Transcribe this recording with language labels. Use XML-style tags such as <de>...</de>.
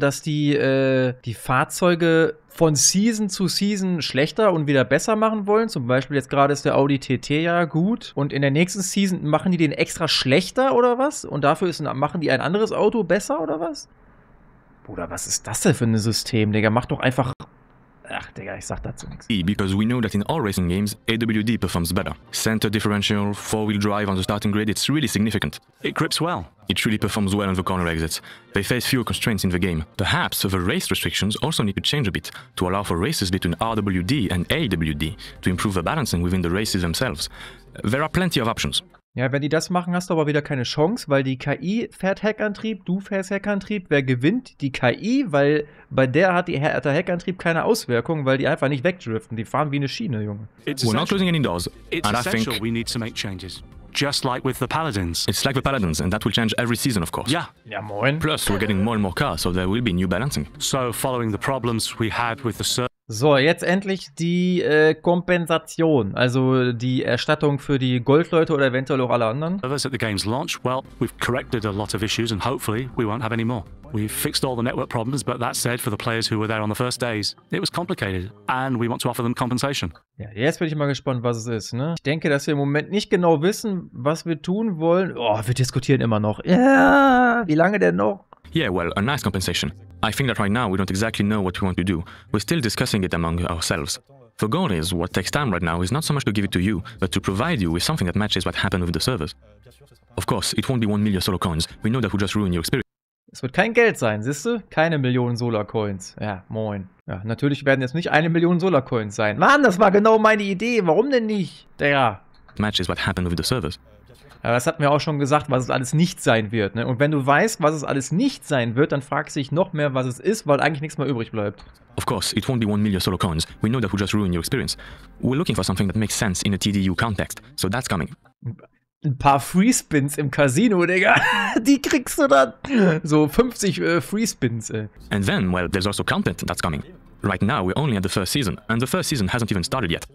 <de>Dass die die Fahrzeuge von Season zu Season schlechter und wieder besser machen wollen? Zum Beispiel jetzt gerade ist der Audi TT ja gut. Und in der nächsten Season machen die den extra schlechter oder was? Und dafür machen die ein anderes Auto besser oder was? Bruder, was ist das denn für ein System, Digga? Mach doch einfach... Ach, Digga, ich sag dazu nichts.</de> <en>Because we know that in all racing games, AWD performs better. Center differential, four-wheel drive on the starting grid, it's really significant. It grips well. It truly performs well on the corner exits. They face fewer constraints in the game. Perhaps the race restrictions also need to change a bit to allow for races between RWD and AWD to improve the balancing within the races themselves. There are plenty of options.</en> <de>Ja, wenn die das machen, hast du aber wieder keine Chance, weil die KI fährt Heckantrieb, du fährst Heckantrieb. Wer gewinnt? Die KI, weil bei der hat der Heckantrieb keine Auswirkung, weil die einfach nicht wegdriften. Die fahren wie eine Schiene, Junge.</de> <en>We're not closing any doors. It's essential we need to make changes. Just like with the Paladins. It's like the Paladins, and that will change every season, of course. Yeah.</en> <de>Ja, moin.</de> <en>Plus, we're getting more and more cars, so there will be new balancing. So, following the problems we had with the...</en> <de>So, jetzt endlich die Kompensation, also die Erstattung für die Goldleute oder eventuell auch alle anderen.</de> <en>At the game's launch, well, we've corrected a lot of issues and hopefully we won't have any more. We've fixed all the network problems, but that said, for the players who were there on the first days, it was complicated and we want to offer them compensation.</en> <de>Ja, jetzt bin ich mal gespannt, was es ist, ne? Ich denke, dass wir im Moment nicht genau wissen, was wir tun wollen. Oh, wir diskutieren immer noch. Ja, wie lange denn noch?</de> <en>Yeah, well, a nice compensation. I think that right now we don't exactly know what we want to do. We're still discussing it among ourselves. The goal is, what takes time right now is not so much to give it to you, but to provide you with something that matches what happened with the servers. Of course, it won't be 1 million solar coins. We know that would just ruin your experience.</en> <de>Es wird kein Geld sein, siehst du? Keine Millionen Solar Coins. Ja, moin. Ja, natürlich werden jetzt nicht 1 Million Solar Coins sein. Mann, das war genau meine Idee. Warum denn nicht? Digga.</de> <en>Matches what happened with the servers.</en> <de>Ja, das hatten wir auch schon gesagt, was es alles nicht sein wird. Ne? Und wenn du weißt, was es alles nicht sein wird, dann fragst du dich noch mehr, was es ist, weil eigentlich nichts mehr übrig bleibt.</de> <en>Of course, it won't be 1 million solo coins. We know that we'll just ruin your experience. We're looking for something that makes sense in a TDU context. So that's coming.</en> <de>Ein paar Free Spins im Casino, Digga. Die kriegst du dann. So 50 Free Spins.</de> <en>And then, well, there's also content that's coming. Right now we're only at the first season, and the first season hasn't even started yet.</en>